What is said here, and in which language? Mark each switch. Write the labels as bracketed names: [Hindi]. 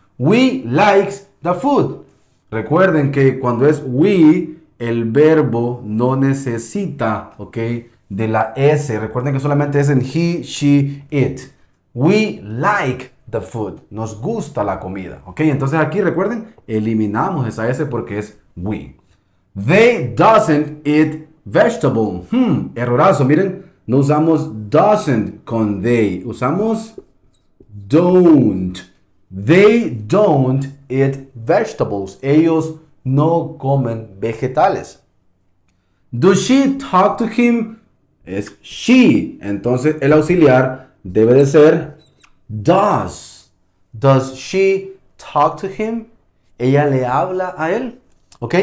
[English] We likes the food. [Spanish] Recuerden que cuando es we, el verbo no necesita, ¿ok?, de la S. Recuerden que solamente es en he, she, it. [English] We like the food. [Spanish] Nos gusta la comida. ¿Ok? Entonces aquí, recuerden, eliminamos esa S porque es we. [English] They doesn't eat vegetables. [Spanish] Errorazo, miren. No usamos doesn't con they. Usamos don't. [English] They don't eat vegetables. [Spanish] Ellos no comen vegetales. [English] Does she talk to him? Es she. [Spanish] Entonces el auxiliar debe de ser does. [English] Does she talk to him? [Spanish] ¿Ella le habla a él? [English] ¿Ok?